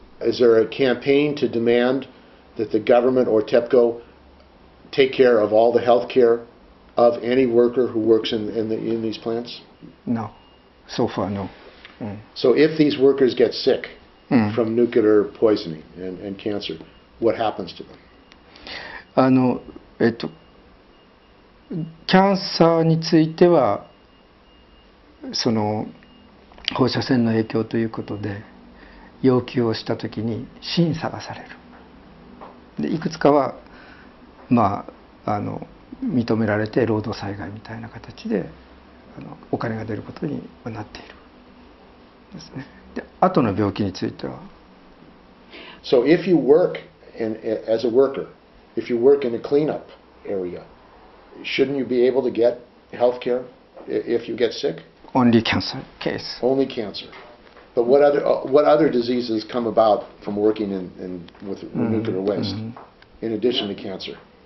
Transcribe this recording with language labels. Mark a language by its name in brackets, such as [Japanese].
[English] Is there a campaign to demand that the government or TEPCO take care of all the health care of any worker who works in these plants? No. So far, no. Mm. So if these workers get sick from nuclear poisoning and cancer, what happens to them? [Japanese] キャンサーについてはその放射線の影響ということで要求をしたときに審査がされる。でいくつかは、まあ、認められて労働災害みたいな形でお金が出ることにはなっているですね。で、後の病気については [English] So if you workAnd as a worker, if you work in a cleanup area, shouldn't you be able to get health care if you get sick? Only cancer case. Only cancer. But what other diseases come about from working in with nuclear waste in addition to cancer?